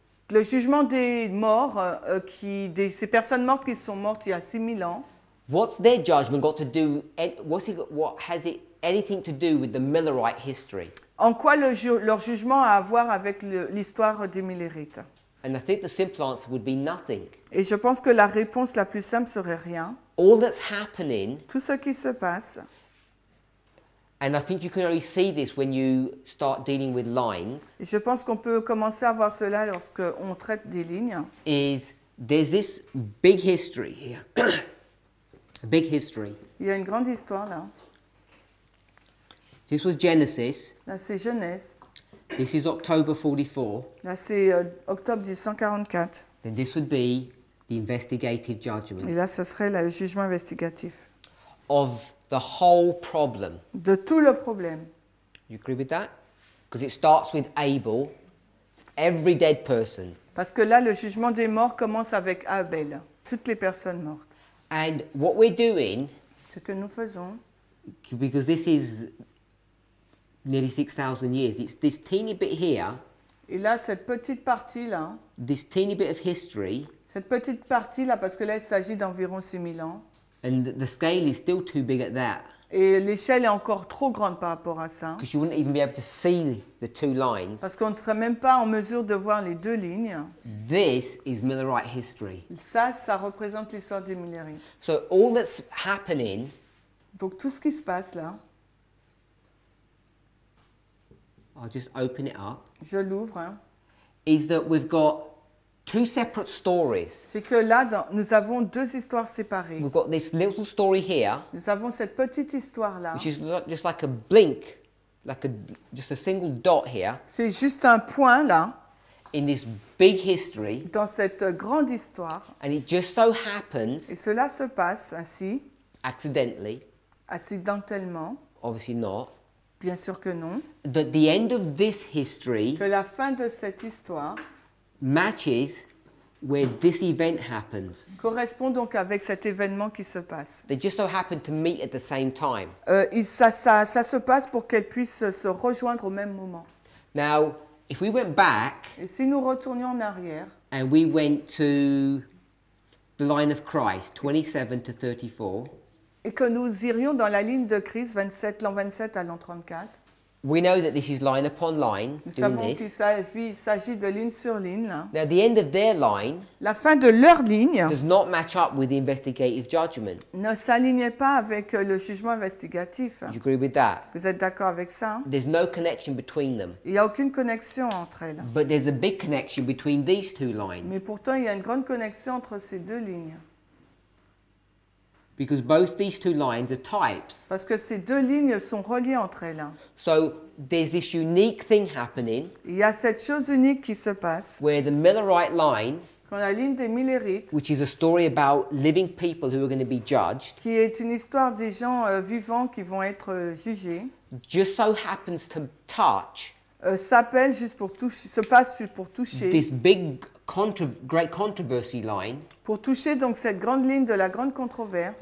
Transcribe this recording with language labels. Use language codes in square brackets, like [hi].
[fr] Le jugement des morts qui des ces personnes mortes qui sont mortes il y a 6000 ans. [en] What's their judgment got to do? What has it anything to do with the Millerite history? [fr] En quoi leur jugement a à voir avec l'histoire des Millerites? [en] And I think the simple answer would be nothing. [fr] Et je pense que la réponse la plus simple serait rien. [en] All that's happening, [fr] tout ce qui se passe, [en] and I think you can only see this when you start dealing with lines, [fr] et je pense qu'on peut commencer à voir cela lorsque on traite des lignes, [en] is there's this big history here. Big history. [fr] Il y a une grande histoire là. [en] This was Genesis. [fr] Là, c'est Genèse. [en] This is October 44. [fr] Là, c'est octobre 1844. [en] Then this would be the investigative judgment. [fr] Et là, ce serait le jugement investigatif. [en] Of the whole problem. [fr] De tout le problème. [en] You agree with that? Because it starts with Abel. Every dead person. [fr] Parce que là, le jugement des morts commence avec Abel. Toutes les personnes mortes. [en] And what we're doing, [fr] ce que nous faisons, [en] because this is nearly 6,000 years, it's this teeny bit here. [fr] Et là, cette petite partie là. [en] This teeny bit of history. [fr] Cette petite partie là, parce que là, il s'agit d'environ 6000 ans. [en] And the scale is still too big at that. [fr] Et l'échelle est encore trop grande par rapport à ça. [en] Because you wouldn't even be able to see the two lines. [fr] Parce qu'on ne serait même pas en mesure de voir les deux lignes. [en] This is Millerite history. [fr] Ça représente l'histoire des Millerites. [en] So all that's happening. [fr] Donc tout ce qui se passe là. [en] I'll just open it up. [fr] Je l'ouvre. Hein. [en] Is that we've got two separate stories. [fr] C'est que là, nous avons deux histoires séparées. [en] We've got this little story here. [fr] Nous avons cette petite histoire là. [en] Which is just like a blink, like just a single dot here. [fr] C'est juste un point là. [en] In this big history. [fr] Dans cette grande histoire. [en] And it just so happens. [fr] Et cela se passe ainsi. [en] Accidentally. [fr] Accidentellement. [en] Obviously not. [fr] Bien sûr que non. [en] That the end of this history. [fr] Que la fin de cette histoire. [en] Matches where this event happens. [fr] Correspond donc avec cet événement qui se passe. [en] They just so happen to meet at the same time. [fr] Ça se passe pour qu'elles puissent se rejoindre au même moment. [en] Now, if we went back. [fr] Et si nous retournions en arrière. [en] And we went to the line of Christ, 27 to 34. [fr] Et que nous irions dans la ligne de Christ, 27, l'an 27 à l'an 34. [en] We know that this is line upon line, [fr] nous [en] doing this. [fr] Qu'il s'agit de ligne sur ligne. Là. [en] Now, the end of their line, [fr] la fin de leur ligne, [en] does not match up with the investigative judgment. [fr] Ne s'alignait pas avec le jugement investigatif. [en] You agree with that? [fr] Vous êtes d'accord avec ça? [en] There's no connection between them. [fr] Il n'y a aucune connexion entre elles. [en] But there's a big connection between these two lines. [fr] Mais pourtant, il y a une grande connexion entre ces deux lignes. [en] Because both these two lines are types. [fr] Parce que ces deux lignes sont reliées entre elles. [en] So there's this unique thing happening. [fr] Il y a cette chose unique qui se passe. [en] Where the Millerite line. [fr] Quand la ligne des Millerites. [en] Which is a story about living people who are going to be judged. [fr] Qui est une histoire des gens vivants qui vont être jugés. [en] Just so happens to touch. [fr] S'appelle juste pour toucher. Se passe pour toucher. [en] This big great controversy line. [fr] Pour toucher donc cette grande ligne de la grande controverse.